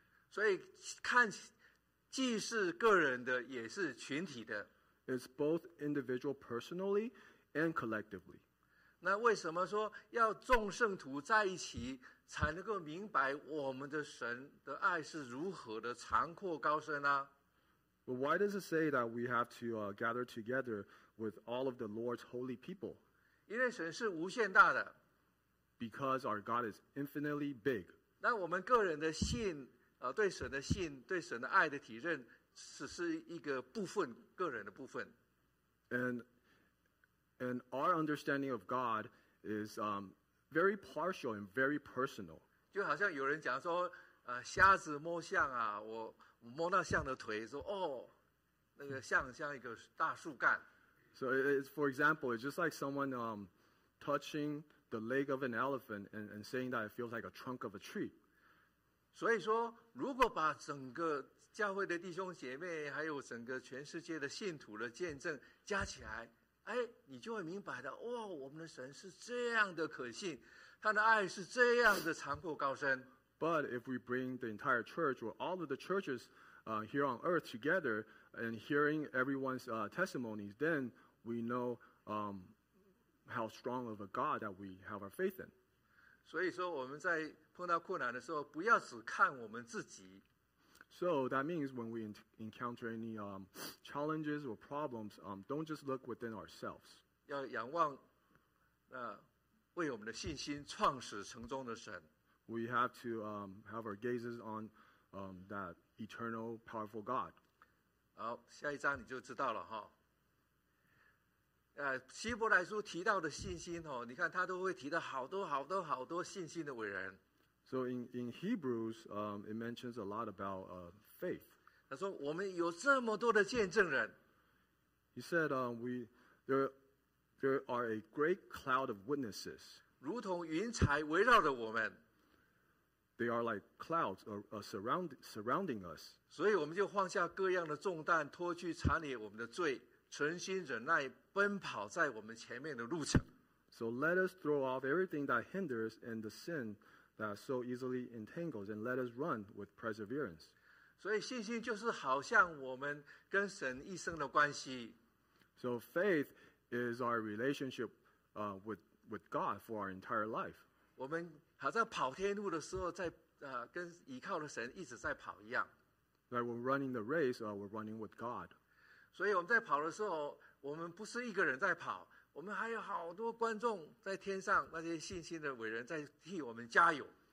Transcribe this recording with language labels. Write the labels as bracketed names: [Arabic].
[Chinese] 所以看，既是个人的，也是群体的。 [English] It's both individual, personally, and collectively. [Chinese] 那为什么说要众圣徒在一起，才能够明白我们的神的爱是如何的长阔高深呢？ [English] But why does it say that we have to gather together with all of the Lord's holy people? [Chinese] 因为神是无限大的。 [English] Because our God is infinitely big. [Chinese] 那我们个人的信，对神的信，对神的爱的体认，只是一个部分，个人的部分。 [English] And our understanding of God is very partial and very personal. [Chinese] 就好像有人讲说，瞎子摸象啊，我摸到象的腿，说哦，那个象像一个大树干。 [English] So it's for example, it's just like someone touching the leg of an elephant and saying that it feels like a trunk of a tree. [Chinese] 所以说，如果把整个教会的弟兄姐妹，还有整个全世界的信徒的见证加起来，哎，你就会明白的。哇，我们的神是这样的可信，他的爱是这样的长阔高深。 [English] But if we bring the entire church or all of the churches here on earth together and hearing everyone's testimonies, then we know how strong of a God that we have our faith in. [Chinese] 所以说我们在碰到困难的时候，不要只看我们自己。 [English] So that means when we encounter any challenges or problems, don't just look within ourselves. [Chinese] 要仰望为我们的信心创始成终的神。 [English] We have to have our gazes on that eternal, powerful God. [Chinese] 好，下一章你就知道了哈。希伯来书提到的信心哦，你看他都会提到好多好多好多信心的伟人。 [English] So in Hebrews, it mentions a lot about faith. [Chinese] 他说我们有这么多的见证人。 [English] He said, there are a great cloud of witnesses. [Chinese] 如同云彩围绕着我们。 [English] They are like clouds surrounding us. [Chinese] 所以我们就放下各样的重担，脱去缠累我们的罪。存心忍耐，奔跑在我们前面的路程。 [English] So let us throw off everything that hinders and the sin that so easily entangles, and let us run with perseverance. [Chinese] 所以信心就是好像我们跟神一生的关系。 [English] So faith is our relationship with God for our entire life. [Chinese] 我们好像跑天路的时候在跟依靠的神一直在跑一样。 [English] Like we're running the race, we're running with God. [Chinese] 所以我们在跑的时候，我们不是一个人在跑，我们还有好多观众在天上，那些信心的伟人在替我们加油。